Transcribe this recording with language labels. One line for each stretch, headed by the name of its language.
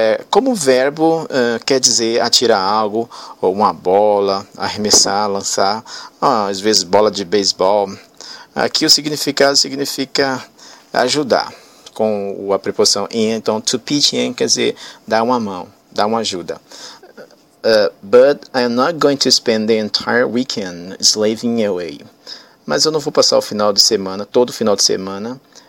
Portuguese: Como verbo, quer dizer atirar algo, ou uma bola, arremessar, lançar. Às vezes bola de beisebol. Aqui o significado significa ajudar, com a preposição in. Então, to pitch in quer dizer dar uma mão, dar uma ajuda.
English: But I am not going to spend the entire weekend slaving away.
Portuguese: Mas eu não vou passar todo final de semana.